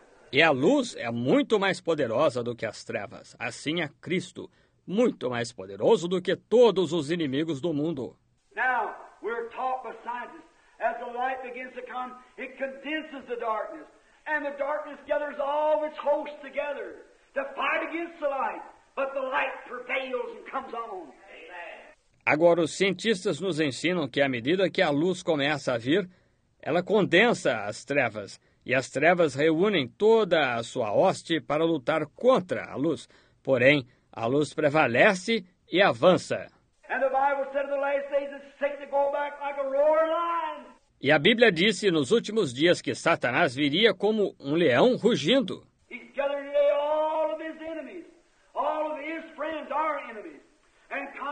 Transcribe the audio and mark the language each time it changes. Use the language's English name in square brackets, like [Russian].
[Portuguese] E a luz é muito mais poderosa do que as trevas. Assim é Cristo, muito mais poderoso do que todos os inimigos do mundo. [English] Now, we're taught by scientists. As the light begins to come, it condenses the darkness. And the darkness gathers all of its hosts together. To fight against the light, but the light prevails and comes on. Amen. [Portuguese] Agora, os cientistas nos ensinam que à medida que a luz começa a vir, ela condensa as trevas, e as trevas reúnem toda a sua hoste para lutar contra a luz. Porém, a luz prevalece e avança. [English] And the Bible said in the last days that Satan would go back like a roaring lion. [Portuguese] E a Bíblia disse nos últimos dias que Satanás viria como um leão rugindo. [English] He's gathered today all of his enemies, all of his friends are enemies, and